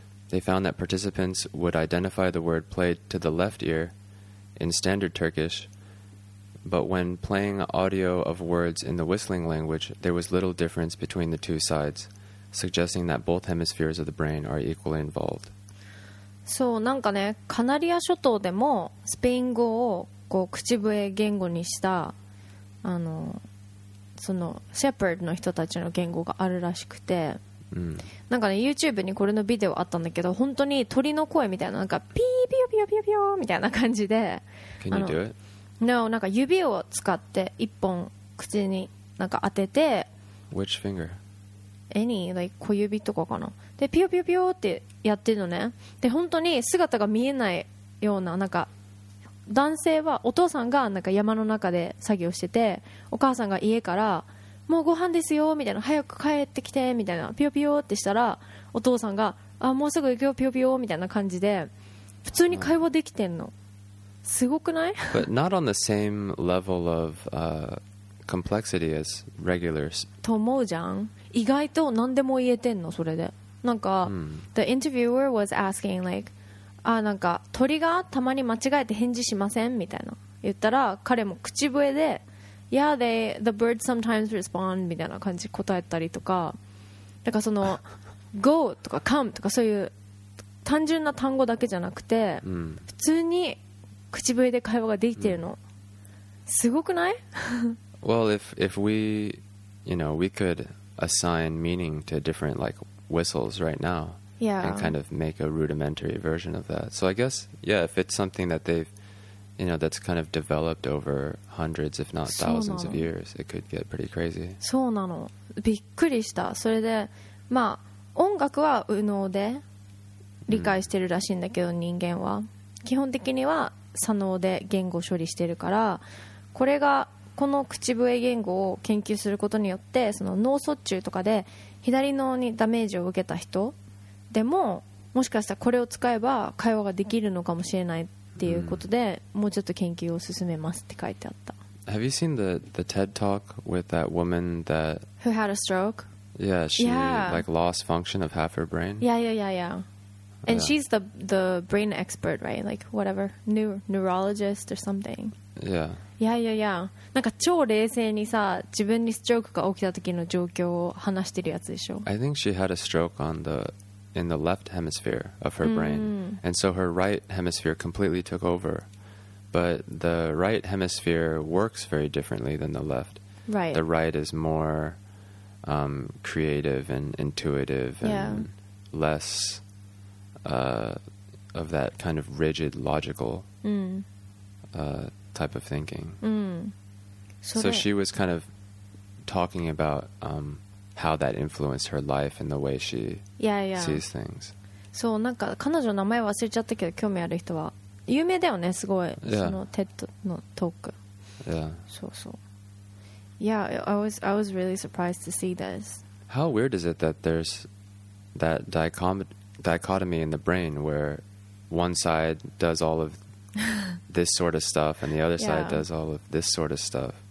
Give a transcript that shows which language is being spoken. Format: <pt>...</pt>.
<en>They found that participants would identify the word played to the left ear in standard Turkish, but when playing audio of words in the whistling language, there was little difference between the two sides, suggesting that both hemispheres of the brain are equally involved.</en> <ja>そう、なんかね、カナリア諸島でもスペイン語をこう口笛言語にしたあのそのシェパードの人たちの言語があるらしくて、なんかね、 YouTube にこれのビデオあったんだけど、本当に鳥の声みたいな、なんかピーピヨピヨピヨピヨみたいな感じで、</ja> <en>Can you do it?</en> <ja>No, なんか指を使って一本口になんか当てて、</ja> <en>Which finger? Any, like</en> <ja>小指とかかな。でピヨピヨピヨってやってるのね。で本当に姿が見えないような、なんか男性はお父さんがなんか山の中で作業してて、お母さんが家からもうご飯ですよみたいな、早く帰ってきてみたいな、ピヨピヨってしたら、お父さんがあもうすぐ行くよピヨピヨみたいな感じで普通に会話できてんの、すごくない？</ja> <en>But not on the same level of complexity as regular</en> <ja>と思うじゃん。意外と何でも言えてんのそれで。なんか、</ja> <en>The interviewer was asking like,</en> <ja>あなんか鳥がたまに間違えて返事しませんみたいな言ったら、彼も口笛で</ja> <en>Yeah, the birds sometimes respond</en> <ja>みたいな感じ答えたりとか、だからその go とか come とかそういう単純な単語だけじゃなくて、普通に口笛で会話ができてるの、すごくない？</ja> <en>Well, if we, you know, we could assign meaning to different like whistles right now, yeah, and kind of make a rudimentary version of that. So I guess, yeah, if it's something that they'veYou know, that's kind of developed over hundreds, if not thousands of years. It could get pretty crazy.</en> <ja>そうなの。びっくりした。それで、まあ、音楽は右脳で理解してるらしいんだけど、人間は。基本的には左脳で言語処理してるから、これが、この口笛言語を研究することによって、その脳卒中とかで左脳にダメージを受けた人でも、もしかしたらこれを使えば会話ができるのかもしれない。っていうことで、もうちょっと研究を進めますって書いてあった。</ja> <en>Have you seen the TED talk with that woman that who had a stroke? Yeah, she like lost function of half her brain. Yeah. And she's the brain expert, right? Like whatever, neurologist or something. Yeah.</en> <ja>なんか超冷静にさ、自分にストロークが起きた時の状況を話してるやつでしょ。</ja> <en>I think she had a stroke on the left hemisphere of her brain. And so her right hemisphere completely took over. But the right hemisphere works very differently than the left. Right. The right is more creative and intuitive and less of that kind of rigid, logical type of thinking. So she was kind of talking about how that influenced her life and the way she sees things.</en> <ja>そう、なんか彼女の名前忘れちゃったけど、興味ある人は有名だよね、すごい、そのテッドのトーク。そうそう。</ja> <en>Yeah, I was really surprised to see this. How weird is it that there's that dichotomy in the brain where one side does all of this sort of stuff and the other side does all of this sort of stuff.</en>